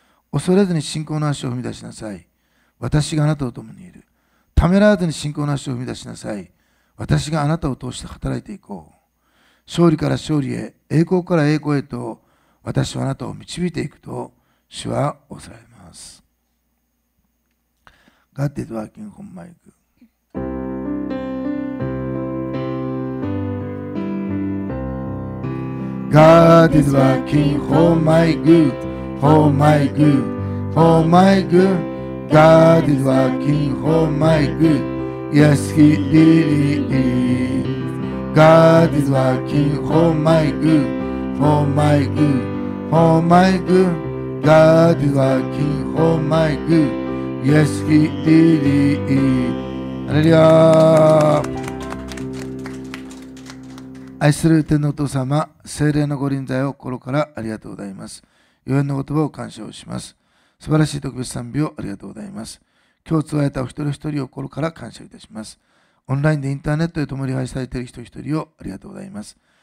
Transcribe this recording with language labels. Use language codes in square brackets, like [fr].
[ja] 恐れずに信仰の足を踏み出しなさい。私があなたと共にいる。ためらわずに信仰の足を踏み出しなさい。私があなたを通して働いていこう。勝利から勝利へ、栄光から栄光へと、私はあなたを導いていくと主は仰られます。 [en] God is working on my good。 God is working for my good, for my good, for my good. God is working for my good, yes He really is. God is working for my good, for my good, for my good. God is working for my good, yes He really is. Hallelujah. [ja] 愛する天のお父様、聖霊のご臨在を心からありがとうございます。予言の言葉を感謝をします。素晴らしい特別賛美をありがとうございます。今日集えたお一人一人を心から感謝いたします。オンラインでインターネットで共に愛されている人一人をありがとうございます。